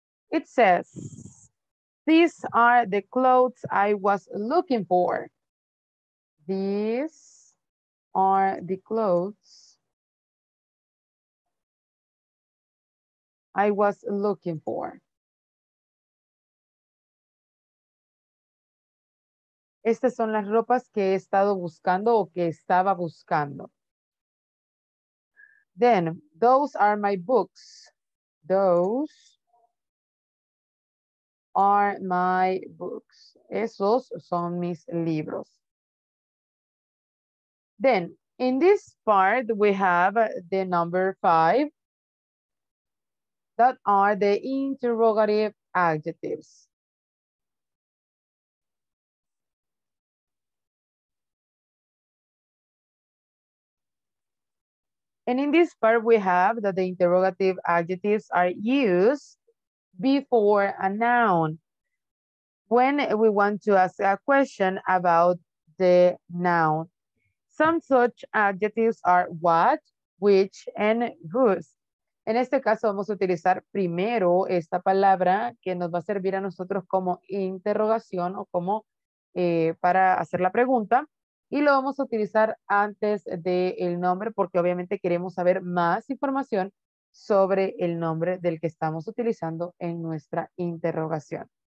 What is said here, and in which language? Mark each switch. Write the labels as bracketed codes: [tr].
[en] It says, these are the clothes I was looking for. These are the clothes I was looking for. [es] Estas son las ropas que he estado buscando o que estaba buscando. [en] Then, those are my books. Those are my books. [es] Esos son mis libros. [en] Then, in this part, we have the number five. That are the interrogative adjectives. And in this part, we have that the interrogative adjectives are used before a noun, when we want to ask a question about the noun. Some such adjectives are what, which, and whose. [es] En este caso, vamos a utilizar primero esta palabra que nos va a servir a nosotros como interrogación o como para hacer la pregunta. Y lo vamos a utilizar antes del nombre porque obviamente queremos saber más información sobre el nombre del que estamos utilizando en nuestra interrogación.